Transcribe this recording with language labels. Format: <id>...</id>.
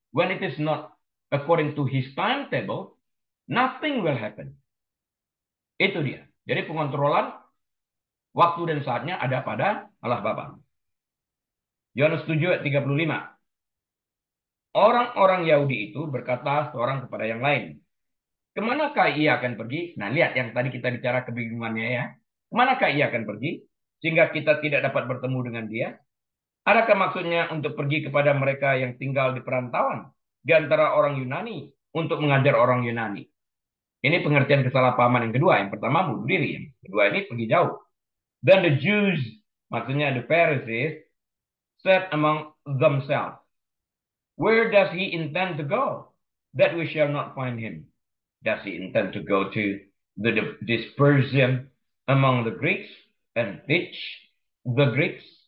<en>When it is not according to his timetable, nothing will happen.</en> <id>Itu dia. Jadi pengontrolan waktu dan saatnya ada pada Allah Bapa. Yohanes 7 ayat 35. Orang-orang Yahudi itu berkata seorang kepada yang lain, kemanakah ia akan pergi? Nah, lihat yang tadi kita bicara kebingungannya ya. Kemanakah ia akan pergi sehingga kita tidak dapat bertemu dengan dia? Adakah maksudnya untuk pergi kepada mereka yang tinggal di perantauan di antara orang Yunani untuk mengajar orang Yunani? Ini pengertian kesalahpahaman yang kedua. Yang pertama bunuh diri. Yang kedua ini pergi jauh.</id> <en>Then the Jews,</en> <id>maksudnya</id> <en>the Pharisees, said among themselves, where does he intend to go that we shall not find him? Does he intend to go to the dispersion among the Greeks and teach the Greeks?</en>